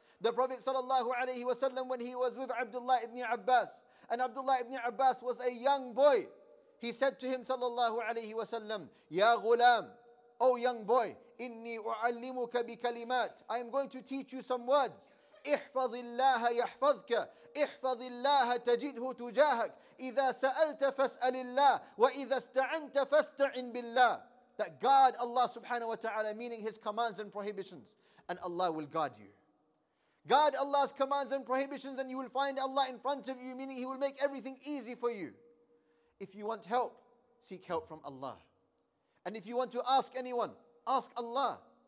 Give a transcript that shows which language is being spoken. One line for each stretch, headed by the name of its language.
English: The Prophet sallallahu alayhi wa sallam, when he was with Abdullah ibn Abbas, and Abdullah ibn Abbas was a young boy, he said to him sallallahu alayhi wa sallam, Ya ghulam, O young boy,
Arabic: inni u'allimuka bi kalimat,
English: I am going to teach you some words.
Arabic: احفظ الله يحفظك احفظ الله تجده تجاهك إذا سألت فاسأل الله وإذا استعنت فاستعن بالله.
English: That guard Allah subhanahu wa ta'ala, meaning his commands and prohibitions, and Allah will guard you. Guard Allah's commands and prohibitions and you will find Allah in front of you, meaning he will make everything easy for you. If you want help, seek help from Allah. And if you want to ask anyone, ask Allah.